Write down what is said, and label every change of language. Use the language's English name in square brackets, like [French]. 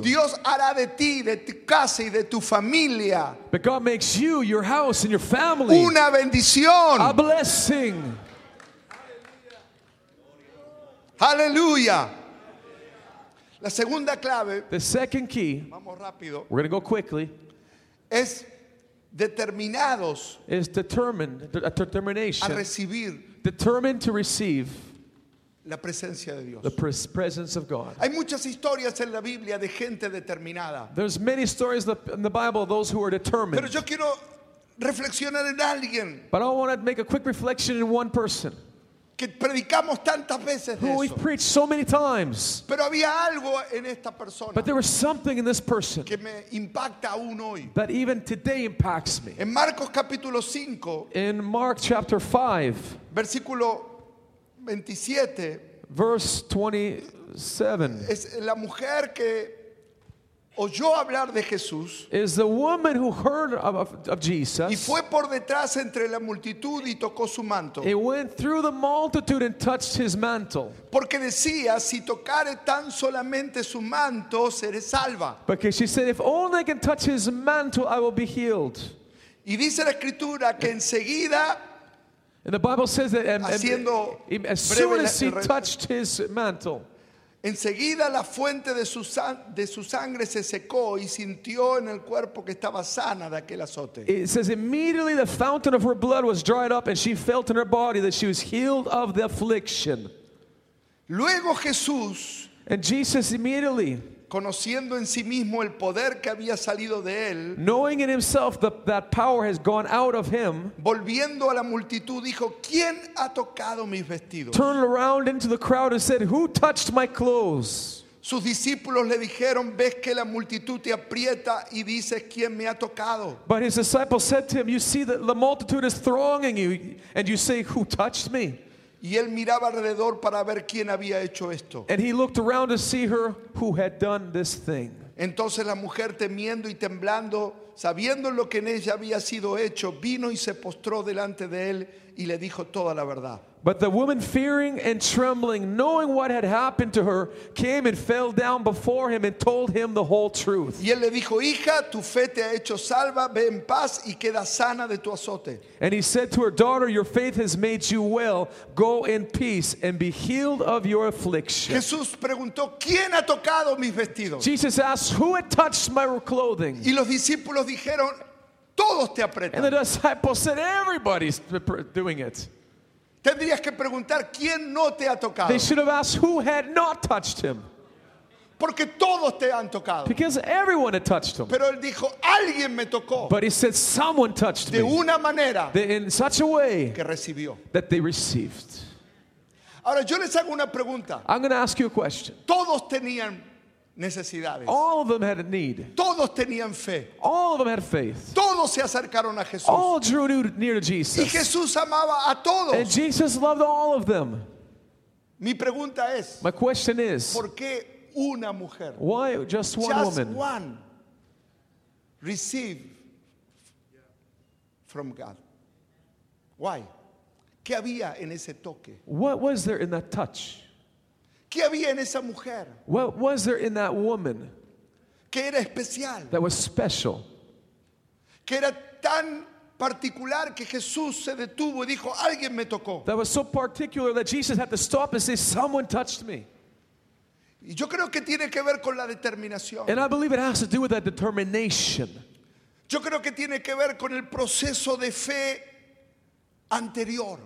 [Spanish] Dios hará de ti, de tu casa y de tu familia. [English] But God makes you, your house and your family. [Spanish] Una bendición. [English] A blessing. [Spanish] Aleluya. La segunda clave. [English] The second key. [Spanish] Vamos rápido. [English] We're going to go quickly. [Spanish] Es determinados. [English] Is determined. A determination. [Spanish] A recibir. [English] Determined to receive. [Spanish] La presencia de Dios. [English] The presence of God. [Spanish] Hay muchas historias en la Biblia de gente determinada. [English] There's many stories in the Bible of those who are determined. [Spanish] Pero yo quiero reflexionar en alguien. [English] But I want to make a quick reflection in one person. [Spanish] Que predicamos tantas veces de [English] who we've preached so many times. [Spanish] Pero había algo en esta persona. [English] But there was something in this person. [Spanish] Que me impacta aún hoy. [English] That even today impacts me. [Spanish] En Marcos capítulo 5. [English] In Mark chapter 5. [Spanish] Versículo 27, [English] verse 27. [Spanish] Es la mujer que oyó hablar de Jesús. [English] Is the woman who heard of Jesus. [Spanish] Y fue por detrás entre la multitud y tocó su manto. [English] He went through the multitude and touched his mantle. [Spanish] Porque decía, si tocare tan solamente su manto, seré salva. [English] Because she said, if only I can touch his mantle, I will be healed. [Spanish] Y dice la escritura que enseguida. [English] And the Bible says that as soon as he touched his mantle, [Spanish] enseguida la fuente de su sangre se secó y sintió en el cuerpo que estaba sana de aquel azote. [English] It says immediately the fountain of her blood was dried up and she felt in her body that she was healed of the affliction. [Spanish] Luego Jesús, [English] and Jesus immediately, [Spanish] conociendo en sí mismo el poder que había salido de él, [English] knowing in himself that power has gone out of him, [Spanish] volviendo a la multitud dijo, ¿quién ha tocado mis vestidos? [English] Turned around into the crowd and said, who touched my clothes? [Spanish] Sus discípulos le dijeron, ves que la multitud te aprieta y dices, ¿quién me ha tocado? [English] But his disciples said to him, you see that the multitude is thronging you and you say, who touched me? [Spanish] Y él miraba alrededor para ver quién había hecho esto. [English] And he looked around to see her who had done this thing. [Spanish] Entonces la mujer temiendo y temblando, sabiendo lo que en ella había sido hecho, vino y se postró delante de él y le dijo toda la verdad. [English] But the woman fearing and trembling, knowing what had happened to her, came and fell down before him and told him the whole truth. [Spanish] Y él le dijo, hija, tu fe te ha hecho salva, ve en paz y queda sana de tu azote. [English] And he said to her, daughter, your faith has made you well. Go in peace and be healed of your affliction. [Spanish] Jesús preguntó, ¿quién ha tocado mis vestidos? [English] Jesus asked, who had touched my clothing? [Spanish] Y los discípulos dijeron, todos te apretan. [English] And the disciples said, everybody's doing it. [Spanish] Tendrías que preguntar quién no te ha tocado. [English] They should have asked who had not touched him. [Spanish] Porque todos te han tocado. [English] Because everyone had touched him. [Spanish] Pero él dijo, alguien me tocó. [English] But he said someone touched me. [Spanish] De una manera. [English] In such a way [Spanish] que recibió. [English] That they received. [Spanish] Ahora yo les hago una pregunta. [English] I'm going to ask you a question. [Spanish] Todos tenían necesidades. [English] All of them had a need. [Spanish] Todos tenían fe. [English] All of them had faith. [Spanish] Todos se acercaron a Jesús. [English] All drew near to Jesus. [Spanish] Y Jesús amaba a todos. [English] And Jesus loved all of them. [Spanish] Mi pregunta es, [English] my question is, [Spanish] ¿por qué una mujer? [English] Why just one just woman? Just one received from God. Why? [Spanish] ¿Qué había en ese toque? [English] What was there in that touch? [Spanish] ¿Qué había en esa mujer? [English] What was there in that woman? [Spanish] ¿Qué era especial? [English] That was special. [Spanish] ¿Qué era tan particular que Jesús se detuvo y dijo, alguien me tocó? [English] That was so particular that Jesus had to stop and say, someone touched me. [Spanish] Y yo creo que tiene que ver con la determinación. [English] And I believe it has to do with that determination. [Spanish] Yo creo que tiene que ver con el proceso de fe anterior.